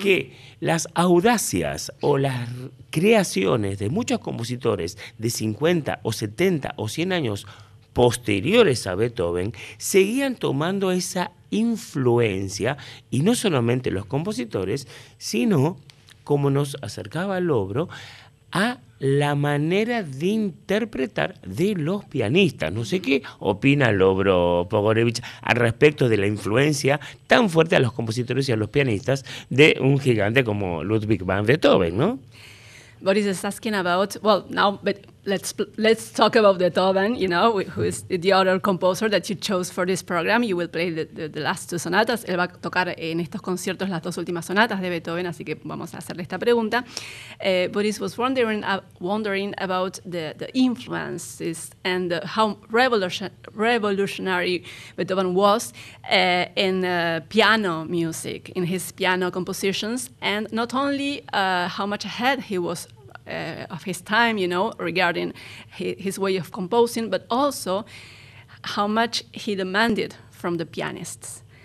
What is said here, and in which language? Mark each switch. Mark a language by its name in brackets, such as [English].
[Spanish] que las audacias o las creaciones de muchos compositores de 50 o 70 o 100 años posteriores a Beethoven seguían tomando esa influencia, y no solamente los compositores, sino, como nos acercaba Lovro, a la manera de interpretar de los pianistas. No sé qué opina Lovro Pogorelich al respecto de la influencia tan fuerte a los compositores y a los pianistas de un gigante como Ludwig van Beethoven, ¿no? [English] Boris is asking about, well, now, but let's talk about Beethoven, you know, who is the other composer that you chose for this program. You will play the last two sonatas. [Spanish] Él va a tocar en estos conciertos las dos últimas sonatas de Beethoven, así que vamos a hacerle esta pregunta. [English] Boris was wondering about the influences and how revolutionary Beethoven was in piano music, in his piano compositions, and not only how much ahead he was of his time, you know, regarding his way of composing, but also how much he demanded from the pianists.